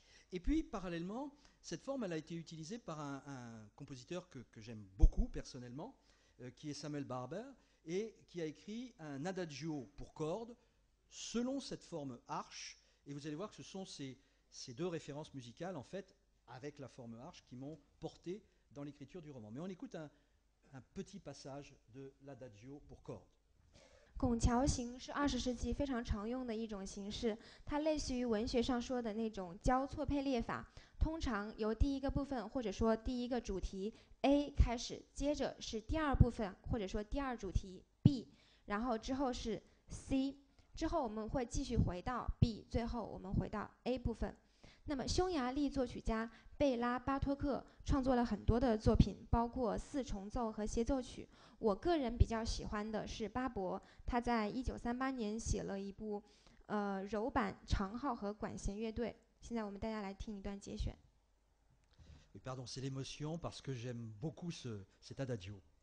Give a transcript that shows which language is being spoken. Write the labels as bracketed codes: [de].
[fr] Et puis, parallèlement, cette forme, elle a été utilisée par un compositeur que j'aime beaucoup personnellement, qui est Samuel Barber, et qui a écrit un adagio pour cordes selon cette forme arche. Et vous allez voir que ce sont ces deux références musicales, en fait, avec la forme arche, qui m'ont porté dans l'écriture du roman. Mais on écoute un petit passage de l'adagio pour cordes. [zh] 拱桥形是20世纪非常常用的一种形式，它类似于文学上说的那种交错配列法，通常由第一个部分或者说第一个主题 A 开始，接着是第二部分或者说第二主题 B， 然后之后是 C， 之后我们会继续回到 B， 最后我们回到 A 部分。那么匈牙利作曲家贝拉巴托克创作了很多的作品，包括四重奏和协奏曲。我个人比较喜欢的是巴伯，他在1938年写了一部柔板长号和管弦乐队。现在我们大家来听一段节选。 [fr] Oui, pardon, c'est l'émotion parce que j'aime beaucoup cet adagio.